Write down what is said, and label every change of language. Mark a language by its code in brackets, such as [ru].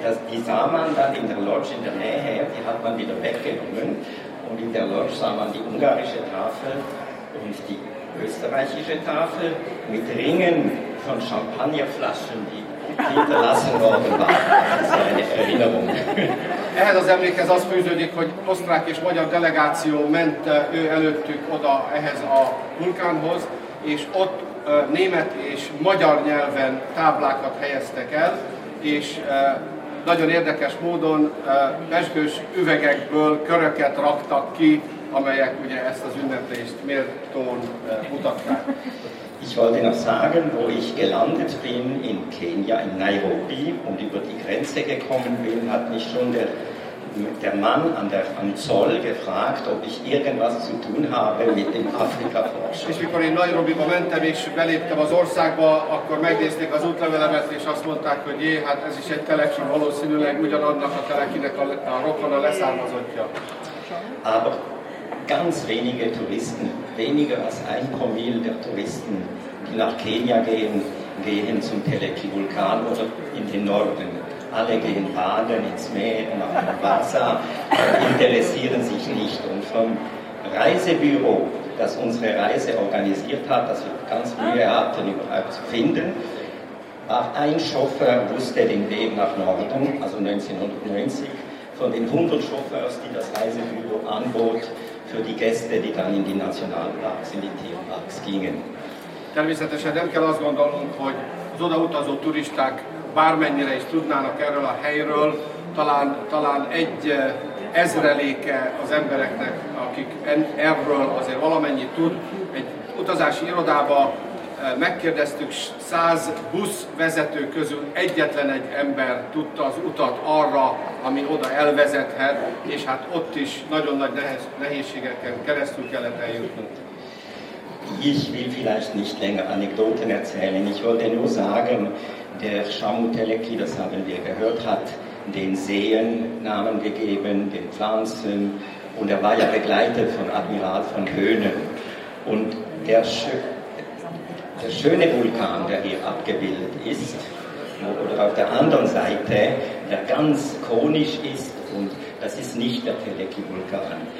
[de] Die sah man dann in der Lodge in der Nähe, die hat man wieder weggenommen. Und in der Lodge sah man die ungarische Tafel und die österreichische Tafel mit Ringen von Champagnerflaschen, die hinterlassen worden waren. Das war eine Erinnerung. [hu] Ehhez az emlékhez az fűződik, hogy osztrák és magyar delegáció ment ő előttük oda ehhez a vulkánhoz, és ott német és magyar nyelven táblákat helyeztek el, és nagyon érdekes módon pezsgős üvegekből köröket raktak ki, amelyek ugye ezt az ünneplést méltón mutatták. [de] Ich wollte noch sagen, wo ich gelandet bin in Kenia, in Nairobi und über die Grenze gekommen bin, hat mich schon der Mann am Zoll gefragt, ob ich irgendwas zu tun habe mit dem Afrika-Forschung. [hu] És mikor én Nairobiba mentem és beléptem az országba, akkor megnézték az útlevelemet és azt mondták, hogy jé, hát ez is egy telekin, valószínűleg ugyanannak a telekinek a rokona leszármazottja. [de] Aber ganz wenige Touristen, weniger als ein Promille der Touristen, die nach Kenia gehen zum Teleki-Vulkan oder in den Norden. Alle gehen baden ins Meer, nach dem Wasser, interessieren sich nicht. Und vom Reisebüro, das unsere Reise organisiert hat, das wir ganz Mühe hatten, überhaupt zu finden, war ein Chauffeur, wusste den Weg nach Norden, also 1990, von den 100 Chauffeurs, die das Reisebüro anbot, für die Gäste, die dann in die Nationalparks, in die Tierparks gingen. [hu] Természetesen nem kell azt gondolnunk, hogy az odautazó turisták bármennyire is tudnának erről a helyről, talán egy ezreléke az embereknek, akik erről azért valamennyit tud. Egy utazási irodába megkérdeztük, 100 busz vezető közül egyetlen egy ember tudta az utat arra, ami oda elvezethet, és hát ott is nagyon nagy nehézségeken keresztül kellett eljutnunk. [de] Ich will vielleicht nicht länger Anekdoten erzählen. Ich wollte nur sagen, der Shamu Teleki, das haben wir gehört, hat den Seen Namen gegeben, den Pflanzen, und war ja begleitet von Admiral von Hoenen. Und der schöne Vulkan, der hier abgebildet ist, oder auf der anderen Seite, der ganz konisch ist, und das ist nicht der Teleki-Vulkan.